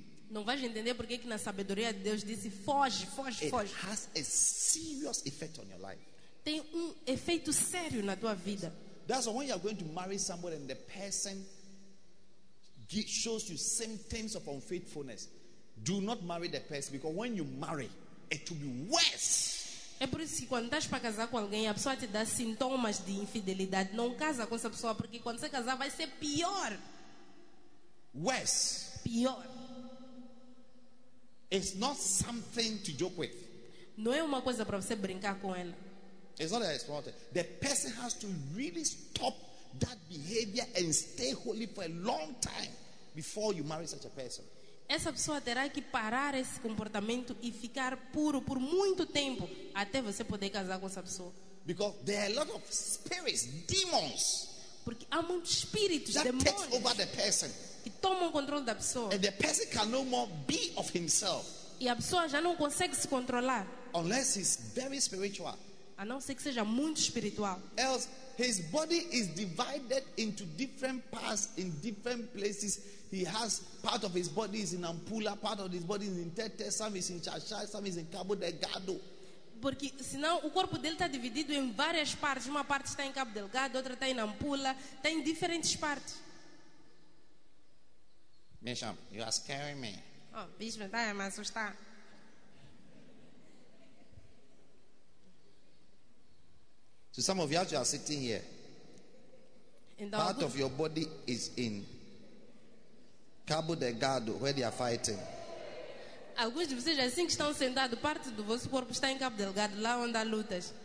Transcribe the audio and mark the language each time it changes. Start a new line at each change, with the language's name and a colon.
Portuguese: Não vais entender porque que na sabedoria de Deus disse foge.
English: It has a serious effect on your life.
Portuguese: Tem efeito sério na tua vida.
English: That's when you are going to marry somebody and the person shows you symptoms of unfaithfulness. Do not marry the person because when you marry, it will be worse.
Portuguese: É por isso que quando estás para casar com alguém, a pessoa te dá sintomas de infidelidade. Não casa com essa pessoa porque quando você casar vai ser pior.
English: Worse.
Portuguese: Pior.
English: It's not something to joke with.
Portuguese: Não é uma coisa para você brincar com ela.
English: It's not that important. The person has to really stop that behavior and stay holy for a long time before you marry such a person.
Portuguese: Essa pessoa terá que parar esse comportamento e ficar puro por muito tempo até você poder casar com essa pessoa.
English: Because there are a lot of spirits, demons.
Portuguese: Porque há muitos espíritos,
English: that
Portuguese: demônios,
English: takes over the person.
Portuguese: Que tomam controle da pessoa.
English: And the person can no more be of himself.
Portuguese: E a pessoa já não consegue se controlar.
English: Unless he's very spiritual.
Portuguese: A não ser que seja muito espiritual.
English: Else his body is divided into different parts in different places. He has part of his body is in Ampula, part of his body is in Tete, some is in Chacha, some is in Cabo Delgado.
Portuguese: Porque senão o corpo dele está dividido em várias partes. Uma parte está em Cabo Delgado, outra está em Ampula, está em diferentes partes.
English: Bishop, you are scaring me.
Portuguese: Oh, Bishop, está a me assustar.
English: So some of you are sitting here.
Portuguese: Então,
English: part of your body is in Cabo Delgado, where they are fighting.
Portuguese: Alguns de vocês assim que estão sentados, parte do vosso corpo está em Cabo Delgado, lá onde há lutas.